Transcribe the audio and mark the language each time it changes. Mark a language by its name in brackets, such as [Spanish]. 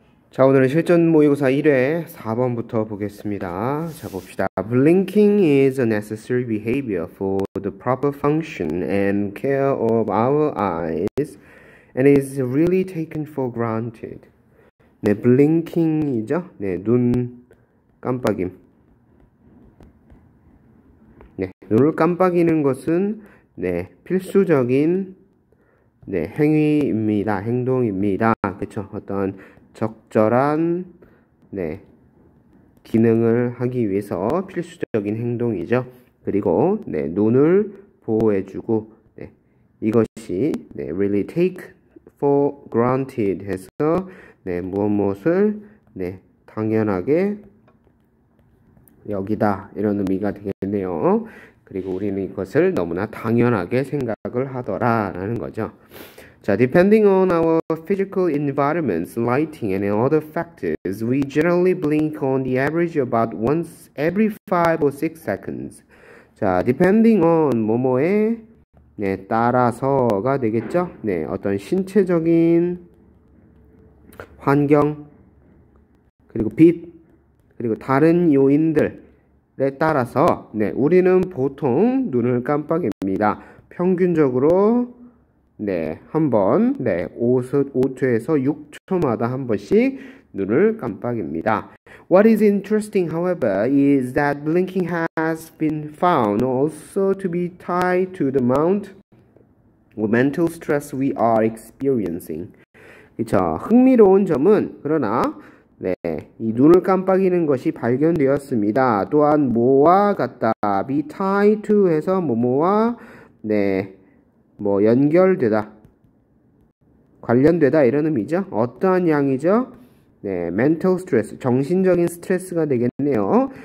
[Korean] 자, 오늘은 실전 모의고사 1회 4번부터 보겠습니다. 자, 봅시다. [English] Blinking is a necessary behavior for the proper function and care of our eyes and is really taken for granted. [Korean] 네, blinking이죠? 네, 눈 깜빡임. 네, 눈을 깜빡이는 것은 네, 필수적인 네, 행위입니다. 행동입니다. 그쵸? 어떤 적절한 네, 기능을 하기 위해서 필수적인 행동이죠. 그리고 네, 눈을 보호해주고 네, 이것이 네, [English] really take for granted [Korean] 해서 네, 무엇을 네, 당연하게 여기다 이런 의미가 되겠네요. 그리고 우리는 이것을 너무나 당연하게 생각을 하더라라는 거죠. [English] 자, depending on our physical environments, lighting, and other factors, we generally blink on the average about once every 5 or 6 seconds. [Korean] 자, depending on 뭐뭐에 네, 따라서가 되겠죠? 네, 어떤 신체적인 환경, 그리고 빛, 그리고 다른 요인들에 따라서 네, 우리는 보통 눈을 깜빡입니다. 평균적으로 네, 한번, 네, 5초에서 6초마다 한 번씩 눈을 깜빡입니다. [English] What is interesting, however, is that blinking has been found also to be tied to the amount of mental stress we are experiencing. [Korean] 그쵸. 흥미로운 점은, 그러나, 네, 이 눈을 깜빡이는 것이 발견되었습니다. 또한, 뭐와 같다. be tied to 해서, 뭐뭐와, 네, 뭐, 연결되다. 관련되다 이런 의미죠. 어떠한 양이죠? 네, mental stress, 정신적인 스트레스가 되겠네요.